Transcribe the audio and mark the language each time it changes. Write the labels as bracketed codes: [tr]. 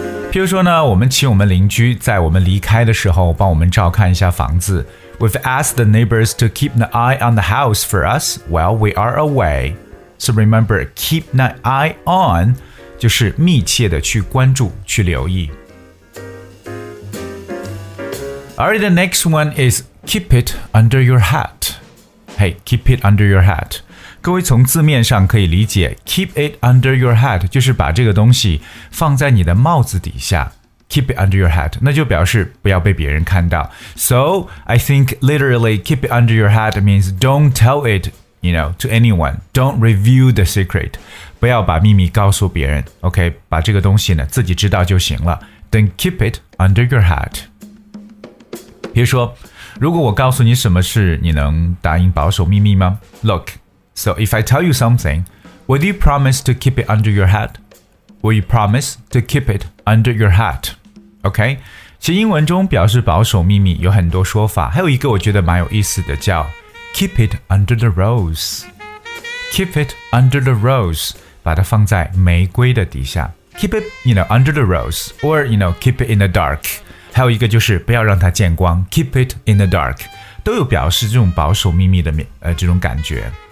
[zh] 譬如说呢，我们请我们邻居在我们离开的时候帮我们照看一下房子。 [en] We've asked the neighbors to keep an eye on the house for us while we are away. So remember, [zh] keep an eye on 就是密切的去关注，去留意。 [en] Alright, the next one is keep it under your hat. Hey, keep it under your hat. [zh] 各位从字面上可以理解 keep it under your hat 就是把这个东西放在你的帽子底下。 Keep it under your hat, 那就表示不要被别人看到。 [en] So, I think literally keep it under your hat means don't tell it, you know, to anyone. Don't reveal the secret. [zh] 不要把秘密告诉别人。 OK, 把这个东西呢自己知道就行了。 [en] Then keep it under your hat. [zh] 比如说如果我告诉你什么事你能答应保守秘密吗 [en] Look, so if I tell you something, would you promise to keep it under your hat? Will you promise to keep it under your hat? [zh] OK, 其实英文中表示保守秘密有很多说法还有一个我觉得蛮有意思的叫 keep it under the rose. [en] Keep it under the rose, [zh] 把它放在玫瑰的底下。 [en] Keep it, you know, under the rose, or, you know, keep it in the dark. [zh] 还有一个就是不要让它见光 keep it in the dark. 都有表示这种保守秘密的这种感觉。